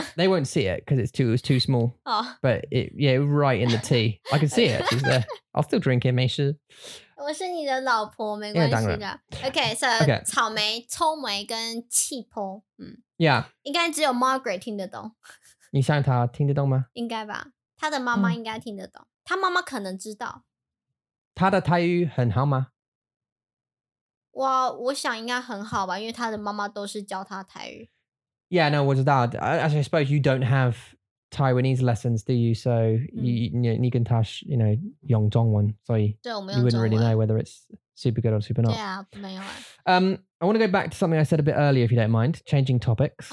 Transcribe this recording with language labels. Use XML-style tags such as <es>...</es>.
<en>so, They won't see it because it's too small oh. But it, yeah, right in the tea I can see it, she's there I'll still drink it,</en> <zh>没事我是你的老婆,没关系的</zh> <en>yeah, okay, okay, so okay.</en> <zh>草莓,草莓跟气泡</zh> <en>Yeah</en> <zh>应该只有 Margaret 听得懂你想她听得懂吗? 应该吧 她的妈妈应该听得懂 她妈妈可能知道她的台语很好吗? 哇,我想应该很好吧, 因为他的妈妈都是教他台语。</zh> <en>Yeah, no,</en> <zh>我知道,</zh> <en>as I suppose you don't have Taiwanese lessons, do you?</en> <zh>So, 你跟他,</zh> <en>you know,</en> <zh>用中文, 所以, 对,</zh> <en>you wouldn't really know whether it's super good or super not. Yeah,</en> <zh>没有啊。</zh> <en>I want to go back to something I said a bit earlier, if you don't mind, changing topics.</en>